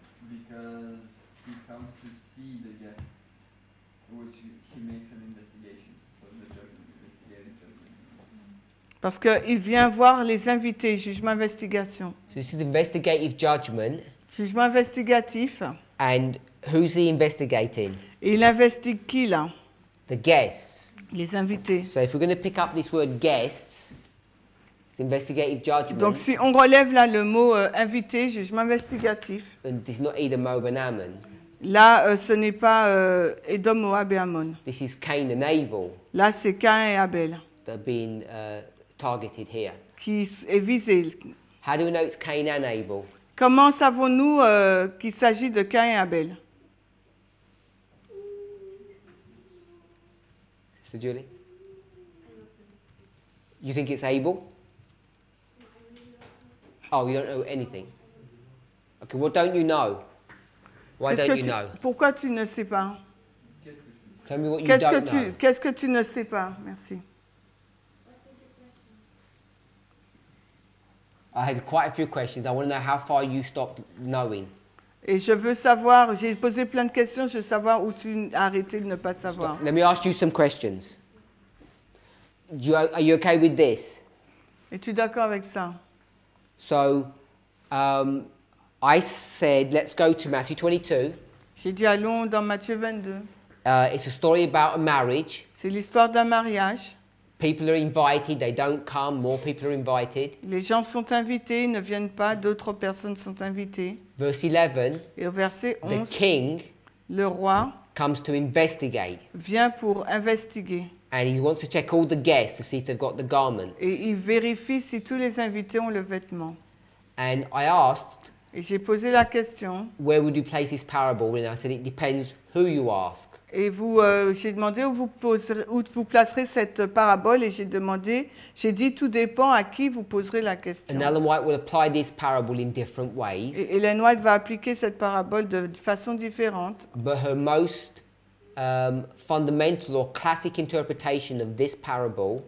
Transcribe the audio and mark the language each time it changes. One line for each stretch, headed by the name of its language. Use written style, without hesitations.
English: Because he comes to see the guests, which he makes an investigation. So the judgment, investigating judgment.
French: Parce qu'il vient voir les invités, jugement investigation.
English: So this is the investigative judgment.
French: Jugement investigatif.
English: And who's he investigating?
French: Il investigue qui là?
English: The guests.
French: Les invités.
English: So if we're going to pick up this word guests, it's the investigative judgment.
French: Donc si on relève là le mot invité, jugement investigatif.
English: And it's not Edom, Moab and Ammon.
French: Là, ce n'est pas Edom, Moab et Ammon.
English: This is Cain and Abel.
French: Là, c'est Cain et Abel.
English: They're being targeted here.
French: Qui est visé.
English: How do we know it's Cain and Abel?
French: Comment savons-nous qu'il s'agit de Cain et Abel?
English: Sister Julie? You think it's Abel? Oh, you don't know anything. Okay, well, don't you know? Why don't you know?
French: Pourquoi tu ne sais pas?
English: Tell me what you don't know.
French: Qu'est-ce que tu ne sais pas? Merci.
English: I had quite a few questions. I want to know how far you stopped knowing.
French: Et je veux savoir, j'ai posé plein de questions, je veux savoir où tu as arrêté de ne pas savoir.
English: Stop. Let me ask you some questions. Are you okay with this?
French: Es-tu d'accord avec ça?
English: So, I said, let's go to Matthew 22.
French: J'ai dit, allons dans Matthieu 22.
English: It's a story about a marriage.
French: C'est l'histoire d'un mariage.
English: People are invited, they don't come, more people are invited.
French: Les gens sont invités, ils ne viennent pas, d'autres personnes sont invitées.
English: Verse 11.
French: Et au verset 11,
English: the king,
French: le roi,
English: comes to investigate.
French: Vient pour investiguer.
English: And he wants to check all the guests to see if they've got the garment.
French: Et il vérifie si tous les invités ont le vêtement.
English: And I asked,
French: Et j'ai posé la question.
English: Where would you place this parable? And I said it depends who you ask.
French: Et vous, j'ai demandé où vous placerez cette parabole, et j'ai dit tout dépend à qui vous poserez la question.
English: And Ellen White will apply this parable in different ways.
French: Et Ellen White va appliquer cette parabole de façon différente.
English: But her most fundamental or classic interpretation of this parable.